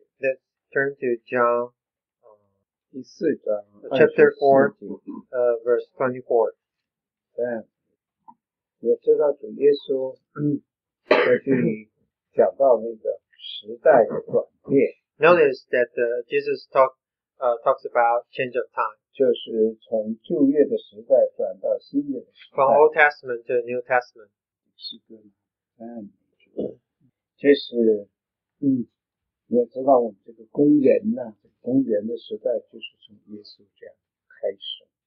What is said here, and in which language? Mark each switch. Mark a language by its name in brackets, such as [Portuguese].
[English] Let's turn to John. [Chinese] 第四章 [English] Chapter 4, verse 24. [Chinese] 对，也知道主耶稣在这里讲到那个时代的转变。 [English] Notice that Jesus talks about change of time. [Chinese] 就是从旧约的时代转到新约的时代。 [English] From Old Testament to New Testament. [Chinese] 是的，就是你也知道我们这个公元呢，公元的时代就是从耶稣这样开始。